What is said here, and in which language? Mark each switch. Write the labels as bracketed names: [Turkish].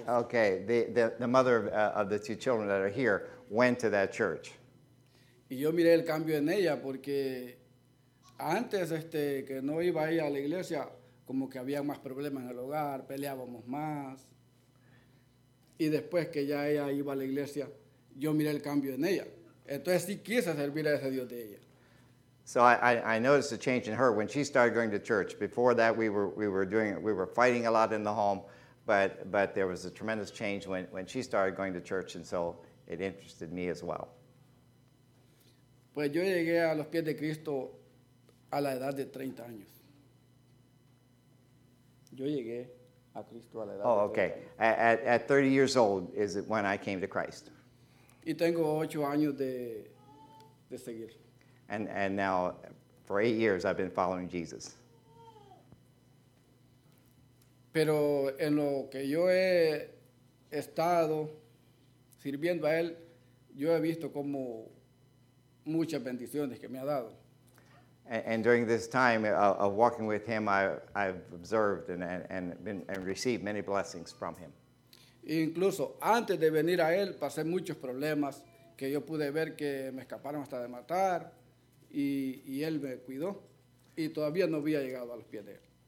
[English] The mother of the two children that are here went to that church. [Spanish] Y yo miré el cambio en ella porque antes que no iba ella a la iglesia, como que había más problemas en el hogar, peleábamos más. Y después que ya ella iba a la iglesia, yo miré el cambio en ella. Entonces sí quise servir a ese Dios de ella. [English] So I noticed a change in her when she started going to church. Before that we were fighting a lot in the home, but there was a tremendous change when she started going to church, and so it interested me as well. [Spanish] Pues yo llegué a los pies de Cristo a la edad de 30 años. Yo llegué a Cristo a la edad de 30 años. [English] At 30 years old is it when I came to Christ. [Spanish] Y tengo 8 años de seguir. [English] And now, for 8 years, I've been following Jesus. [Spanish] Pero en lo que yo he estado sirviendo a Él, yo he visto como muchas bendiciones que me ha dado. [English] And during this time of walking with Him, I've observed and received many blessings from Him. [Spanish] Incluso antes de venir a Él, pasé muchos problemas que yo pude ver que me escaparon hasta de matar y Él me cuidó y todavía no había llegado a los pies de Él.